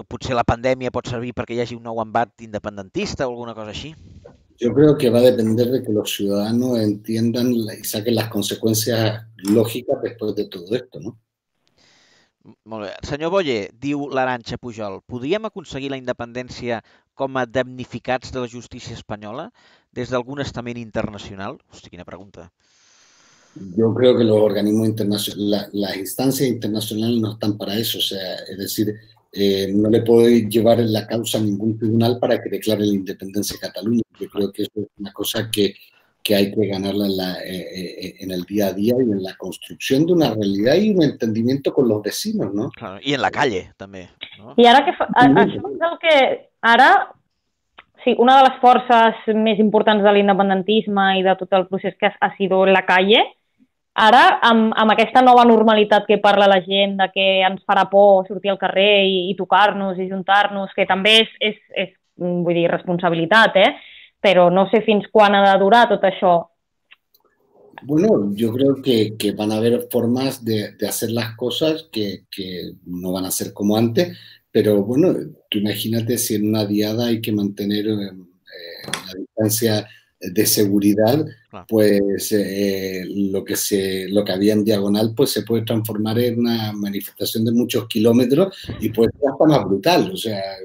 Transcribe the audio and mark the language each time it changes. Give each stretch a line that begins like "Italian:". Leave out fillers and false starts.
Catalan: Potser la pandèmia pot servir perquè hi hagi un nou embat independentista o alguna cosa així?
Spanish: Yo creo que va a depender de que los ciudadanos entiendan y saquen las consecuencias lógicas después de todo esto, ¿no?
Catalan: Molt bé. Senyor Boye, diu l'Aranxa Pujol, podríem aconseguir la independència com a damnificats de la justícia espanyola des d'algun estament internacional? Hosti, quina pregunta.
Spanish: Yo creo que los organismos internacionales, las instancias internacionales no están para eso, o sea, es decir, no le puedo llevar la causa a ningún tribunal para que declare la independencia de Cataluña. Yo creo que es una cosa que hay que ganarla en el día a día y en la construcción de una realidad y un entendimiento con los vecinos, ¿no? Claro, y en la calle también, ¿no? Y ahora que
Catalan: això és el que ara, sí, una de les forces més importants de l'independentisme i de tot el procés que
Spanish: ha sido la calle.
Catalan: Ara, amb aquesta nova normalitat que parla la gent, de que ens farà por sortir al carrer i tocar-nos i juntar-nos, que també és vull dir, responsabilitat, eh? Però no sé fins quan ha de durar tot això.
Spanish: Bueno, yo creo que van a haber formas de hacer las cosas que no van a ser como antes, pero bueno, tú imagínate si en una diada hay que mantener la distancia de seguridad, pues lo que había en diagonal pues se puede transformar en una manifestación de muchos kilómetros y puede ser hasta más brutal, o sea,